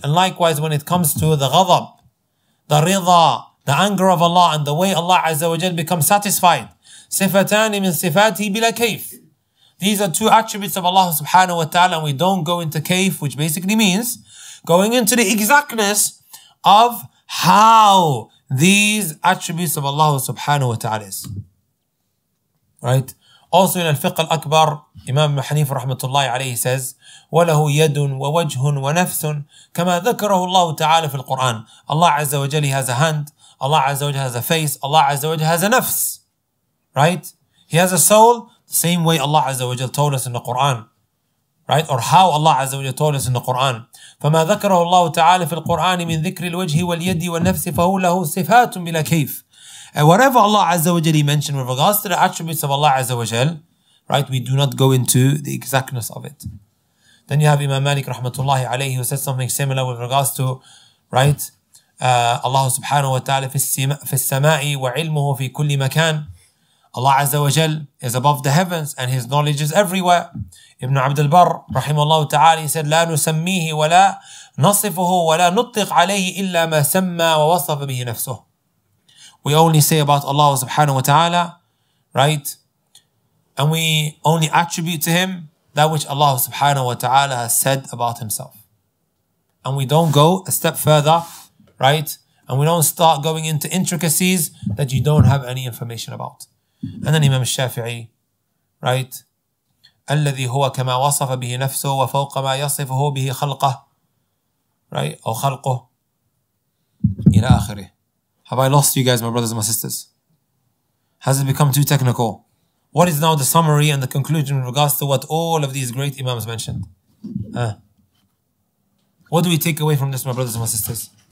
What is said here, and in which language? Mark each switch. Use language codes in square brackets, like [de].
[en] And likewise, when it comes to the ghadab, the rida, the anger of Allah, and the way Allah azza wa jal becomes satisfied, [ar] sifatani min sifati bila kayf. [en] These are two attributes of Allah subhanahu wa ta'ala, and we don't go into kayf, which basically means going into the exactness of how these attributes of Allah subhanahu wa ta'ala is. Right? Also in al-fiqh al-akbar, Imam Hanif rahmatullahi alayhi says, [ar] وَلَهُ يَدٌ وَوَجْهٌ وَنَفْسٌ كَمَا ذَكَرَهُ اللَّهُ تَعَالَى فِي الْقُرْآنِ. [en] Allah Azza wa Jalla has a hand, Allah Azza wa Jalla has a face, Allah Azza wa Jalla has a nafs. Right? He has a soul, the same way Allah Azza wa Jalla told us in the Qur'an. Right? Or how Allah Azza wa Jalla told us in the Qur'an. [ar] فَمَا ذَكَرَهُ اللَّهُ تَعَالَى فِي الْقُرْآنِ مِنْ ذِكْرِ الْوَجْهِ وَالْيَدِّ وَالنَّفْسِ فَهُ لَهُ صِفَاتٌ بِلَا كَيْفٍ. [en] Whatever Allah Azza wa Jal mentioned with regards to the attributes of Allah Azza wa Jal, right, we do not go into the exactness of it. Then you have Imam Malik rahmatullahi alayhi, who said something similar with regards to, right, Allah subhanahu wa ta'ala [ar] فِي السَّمَاءِ وَعِلْمُهُ فِي كُلِّ مَكَانٍ. [en] Allah Azza wa Jal is above the heavens and his knowledge is everywhere. Ibn Abd al-Barr, rahimahullah ta'ala, he said, [ar] لا نسميه ولا نصفه ولا نطق عليه إلا ما سمى ووصف به نفسه. [en] We only say about Allah subhanahu wa ta'ala, right? And we only attribute to him that which Allah subhanahu wa ta'ala has said about himself. And we don't go a step further, right? And we don't start going into intricacies that you don't have any information about. And then Imam al-Shafi'i, right? [ar] الذي هو كما وصف به نفسه وفوق ما يصفه به خلقه, right, أو خلقه إلى آخره. [en] Have I lost you guys, my brothers and my sisters? Has it become too technical? What is now the summary and the conclusion in regards to what all of these great imams mentioned? What do we take away from this, my brothers and my sisters?